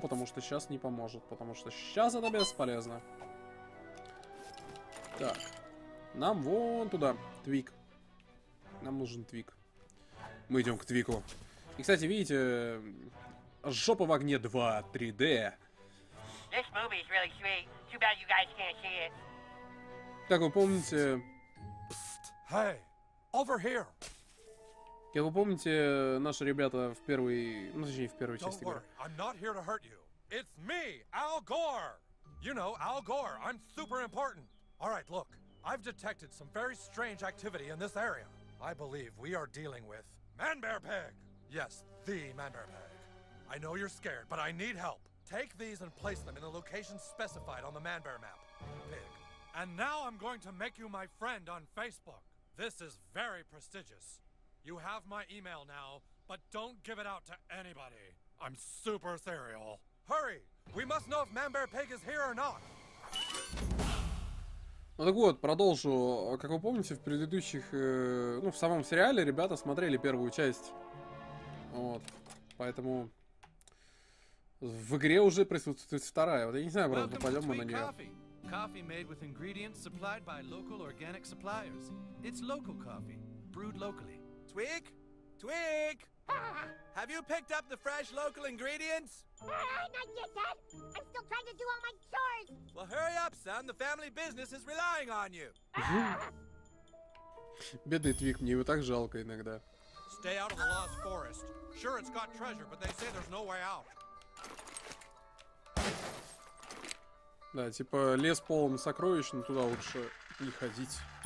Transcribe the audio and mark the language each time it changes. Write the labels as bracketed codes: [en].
[ru] Потому что сейчас не поможет. Потому что сейчас это бесполезно. Так. Нам вон туда, Твик. Нам нужен Твик. Мы идем к Твику. И, кстати, видите, жопа в огне 2, 3D. [en] This movie is really sweet. Too bad you guys can't see it. [ru] Так, вы помните... [en] Hey, over here. [ru] Как вы помните, наши ребята в первой... Ну, точнее, в первой [en] Don't [ru] части игры. [en] Don't worry, I'm not here to hurt you. It's me, Al Gore. You know, Al Gore, I'm super important. All right, look. I've detected some very strange activity in this area. I believe we are dealing with Man-Bear Pig. Yes, the Man-Bear Pig. I know you're scared, but I need help. Take these and place them in the location specified on the Man-Bear map, Pig. And now I'm going to make you my friend on Facebook. This is very prestigious. You have my email now, but don't give it out to anybody. I'm super serial. Hurry! We must know if Man-Bear Pig is here or not. [ru] Ну так вот, продолжу. Как вы помните, в предыдущих, ну, в самом сериале ребята смотрели первую часть. Вот. Поэтому в игре уже присутствует вторая. Вот я не знаю, правда, попадем мы на нее. [en] Coffee made with ingredients supplied by local organic suppliers. It's local coffee, brewed locally. Twig? Twig! Have you picked up the fresh local ingredients? Not yet, Dad. I'm still trying to do all my chores. Well, hurry up, son. The family business is relying on you. [ru] Бедный Твик, мне его так жалко иногда. [en] Stay out of the lost forest. Sure, it's got treasure, but they say there's no way out. [ru] Да, типа лес полон сокровищ, но туда лучше не ходить.